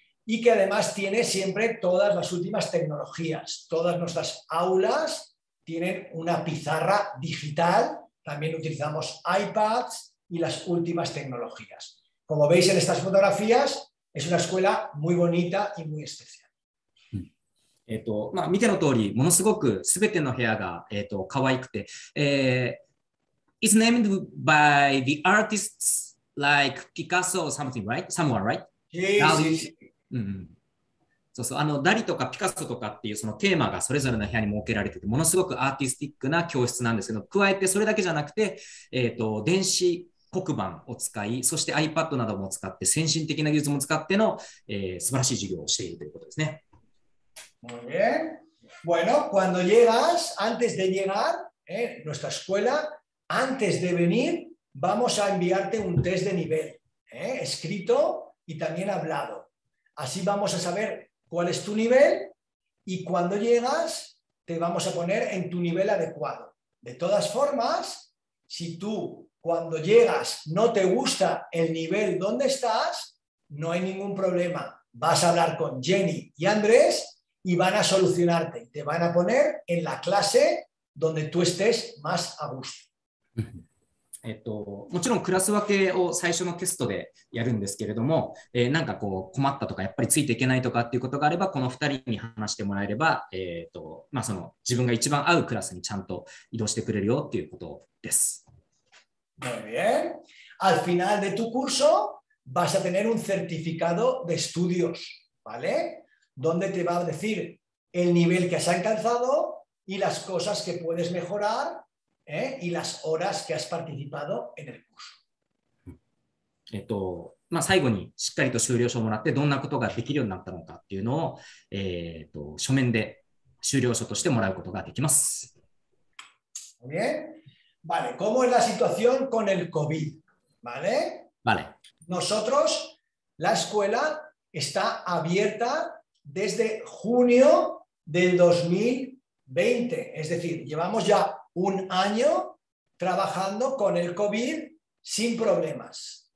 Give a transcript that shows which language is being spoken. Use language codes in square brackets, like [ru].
[es] Y que además tiene siempre todas las últimas tecnologías. Todas nuestras aulas tienen una pizarra digital. También utilizamos iPads y las últimas tecnologías. Como veis en estas fotografías, es una escuela muy bonita y muy especial. [ja] まあ、見ての通り、ものすごく全ての部屋が、可愛くて。 [en] It's named by the artists like Picasso or something, right? Someone, right? Yes. [ja] そうそう、ダリとかピカソとかっていうそのテーマがそれぞれの部屋に設けられてて、ものすごくアーティスティックな教室なんですけど、加えてそれだけじゃなくて、電子黒板を使い、そして iPad なども使って、先進的な技術も使っての、素晴らしい授業をしているということですね。 [es] Muy bien. Bueno, cuando llegas, antes de llegar, nuestra escuela, antes de venir, vamos a enviarte un test de nivel, escrito y también hablado. Así vamos a saber cuál es tu nivel y cuando llegas te vamos a poner en tu nivel adecuado. De todas formas, si tú cuando llegas no te gusta el nivel donde estás, no hay ningún problema. Vas a hablar con Jenny y Andrés y van a solucionarte. Te van a poner en la clase donde tú estés más a gusto. [ja] もちろんクラス分けを最初のテストでやるんですけれども、なんかこう困ったとかやっぱりついていけないとかっていうことがあればこの2人に話してもらえれば、まあ、その自分が一番合うクラスにちゃんと移動してくれるよっていうことです。 [es] Muy bien. Al final de tu curso vas a tener un certificado de estudios, ¿vale? Donde te va a decir el nivel que has alcanzado y las cosas que puedes mejorar, ¿eh? Y las horas que has participado en el curso. [ja] まあ、最後にしっかりと修了書をもらってどんなことができるようになったのかっていうのを、書面で修了書としてもらうことができます。 [es] Bien. Vale, ¿cómo es la situación con el COVID? ¿Vale? Vale. Nosotros, la escuela está abierta desde junio del 2020. Es decir, llevamos ya un año trabajando con el COVID sin problemas.